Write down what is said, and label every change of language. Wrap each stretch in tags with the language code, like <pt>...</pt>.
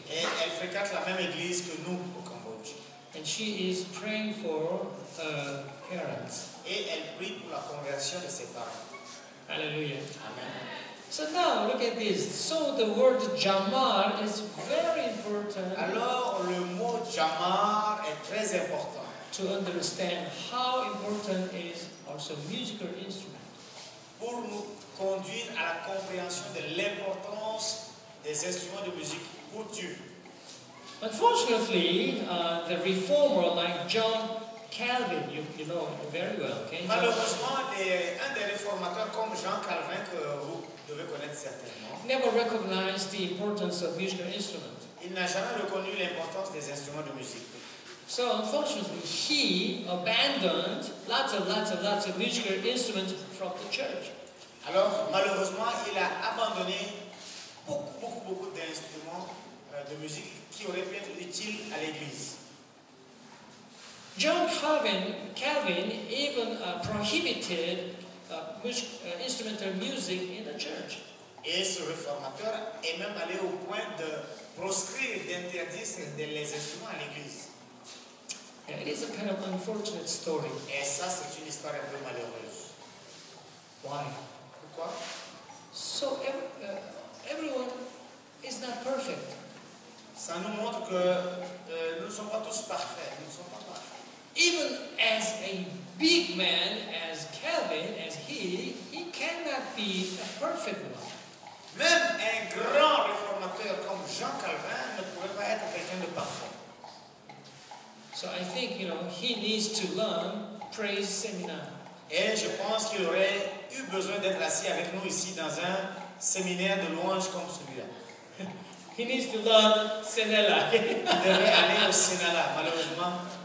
<fr>Et elle fréquente la même église que nous au Cambodge.</fr> <en>And she is praying for her parents.</en> <fr>Et elle prie pour la conversion de ses parents. Alléluia. Amen.</fr> <en>So now, look at this. So the word jamar is very important.</en> <fr>Alors, le mot jamar est très important.</fr> <en>To understand how important is also musical instrument.</en> <fr>Pour nous conduire à la compréhension de l'importance des instruments de musique pour Dieu.</fr> <en>Unfortunately, the reformer like John Calvin, you know very well, okay?</en> <fr>Malheureusement, un des réformateurs comme Jean Calvin, que vous devez connaître certainement,</fr> <en>never recognized the importance of musical instruments.</en> <fr>Il n'a jamais reconnu l'importance des instruments de musique.</fr> <en>So, unfortunately, he abandoned lots of musical instruments from the church.</en> <fr>Alors, malheureusement, il a abandonné beaucoup d'instruments de musique qui auraient pu être utiles à l'église.</fr> <en>John Calvin even prohibited instrumental music in the church.</en> <fr>Et ce réformateur est même allé au point de proscrire, d'interdire les instruments à l'église.</fr> <en>It is a kind of unfortunate story.</en> <fr>Et ça, c'est une histoire un peu malheureuse.</fr> <en>Why?</en> <fr>Pourquoi?</fr> <en>So everyone is not perfect.</en> <fr>Ça nous montre que nous ne sommes pas tous parfaits. Nous ne sommes pas parfaits.</fr> <en>Even as a big man, as Calvin, as he cannot be a perfect one.</en> <fr>Même un grand réformateur comme Jean Calvin ne pourrait pas être quelqu'un de parfait.</fr> <en>So I think, you know, he needs to learn praise seminar.</en> <fr>Et je pense qu'il aurait eu besoin d'être assis avec nous ici dans un séminaire de louange comme celui-là.</fr> <en>He needs to learn Senela.</en> <fr>Il devrait aller au Senela, malheureusement.</fr>